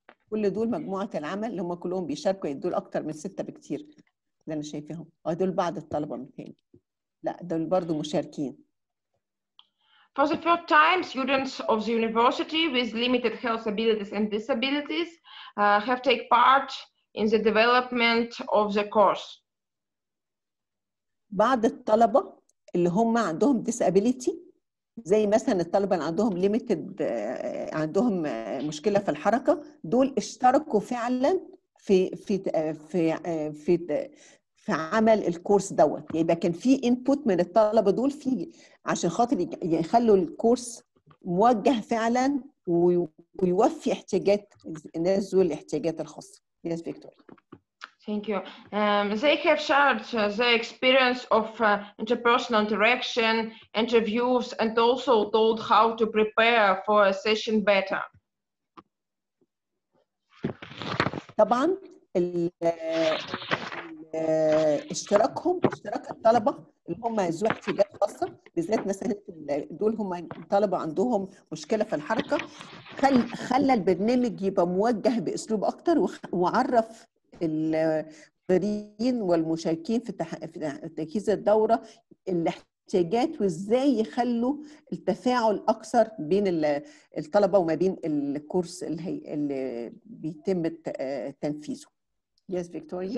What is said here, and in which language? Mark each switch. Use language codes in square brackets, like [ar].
[ar] كل دول مجموعة العمل اللي هم كلهم بيشاركوا يدول أكتر من ستة بكتير ده أنا شايفهم ودول بعض الطلبة من تاني لا دول برضو مشاركين. [en] For the first time, students of the university with limited health abilities and disabilities have taken part in the development of the course. [ar] بعض الطلبة اللي هم عندهم disability زي مثلا الطلبة اللي عندهم limited عندهم مشكلة في الحركة دول اشتركوا فعلا في في في في في عمل الكورس دوت يبقى يعني كان في input من الطلبة دول في عشان خاطر يخلوا الكورس موجه فعلا ويوفي احتياجات الناس ذوي الاحتياجات الخاصة [en] yes Victoria Thank you. They have shared their experience of interpersonal interaction, interviews, and also told how to prepare for a session better. [ar] طبعا الاشتراكهم اشتراك الطلبة اللي هم ذوي احتياجات خاصة بالذات مثلا دول هم طلبة عندهم مشكلة في الحركة خلى البرنامج يبقى موجه بأسلوب أكتر وعرف الحاضرين والمشاركين في تجهيز الدورة الاحتياجات وازاي يخلوا التفاعل اكثر بين الطلبة وما بين الكورس اللي بيتم تنفيذه [en] Yes, Victoria.